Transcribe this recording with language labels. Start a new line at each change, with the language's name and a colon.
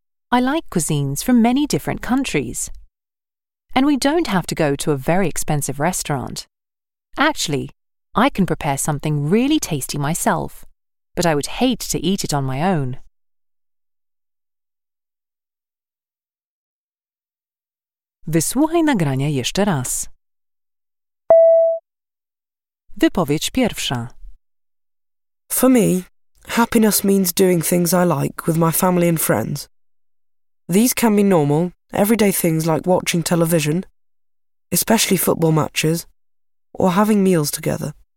English: I like cuisines from many different countries. And we don't have to go to a very expensive restaurant. Actually, I can prepare something really tasty myself, but I would hate to eat it on my own.
Polish: Wysłuchaj nagrania jeszcze raz. Wypowiedź pierwsza.
English: For me, happiness means doing things I like with my family and friends. These can be normal, everyday things like watching television, especially football matches, or having meals together.